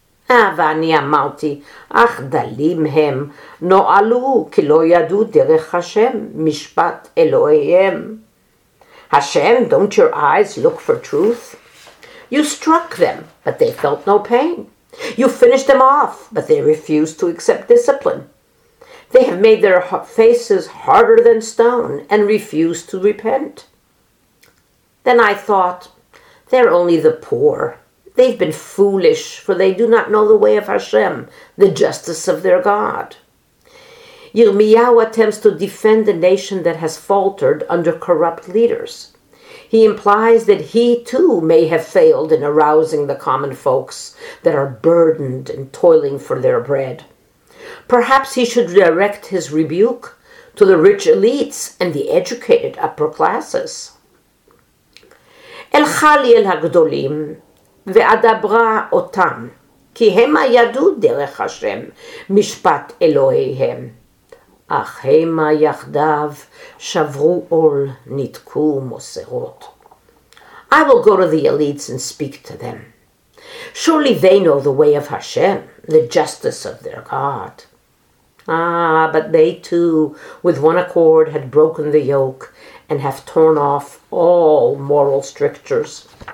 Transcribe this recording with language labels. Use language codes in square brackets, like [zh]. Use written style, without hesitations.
[he] ואני אמרתי, אך דלים הם נועלו, כי לא ידעו דרך השם, משפט אלוהיהם. [en] Hashem, don't your eyes look for truth? You struck them, but they felt no pain. You finished them off, but they refused to accept discipline. They have made their faces harder than stone and refused to repent. Then I thought, they're only the poor. They've been foolish, for they do not know the way of Hashem, the justice of their God. Yirmiyahu attempts to defend a nation that has faltered under corrupt leaders. He implies that he too may have failed in arousing the common folks that are burdened and toiling for their bread. Perhaps he should direct his rebuke to the rich elites and the educated upper classes. [he] הלכה לי אל הגדולים ואדברה אותם, כי הם הידעו דרך השם משפט אלוהיהם. אך המה יחדיו שברו עול, ניתקו מוסרות. [en] I will go to the elites and speak to them. Surely they know the way of Hashem, the justice of their God. Ah, but they too, with one accord, had broken the yoke and have torn off all moral strictures.